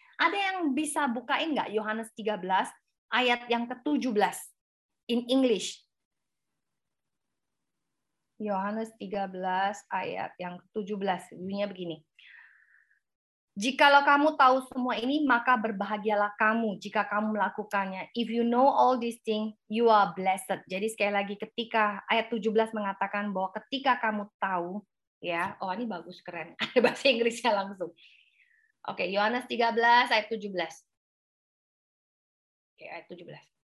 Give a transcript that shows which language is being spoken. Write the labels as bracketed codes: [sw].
[id] Ada yang bisa bukain enggak Yohanes 13 ayat yang ke-17 [en] in English? [id] Yohanes 13 ayat yang ke-17 bunyinya begini. Jikalau kamu tahu semua ini, maka berbahagialah kamu jika kamu melakukannya. [en] If you know all these things, you are blessed. [id] Jadi sekali lagi, ketika ayat 17 mengatakan bahwa ketika kamu tahu, ya, oh ini bagus, keren. Ada bahasa Inggrisnya langsung. Oke, Yohanes 13 ayat 17. Oke, ayat 17.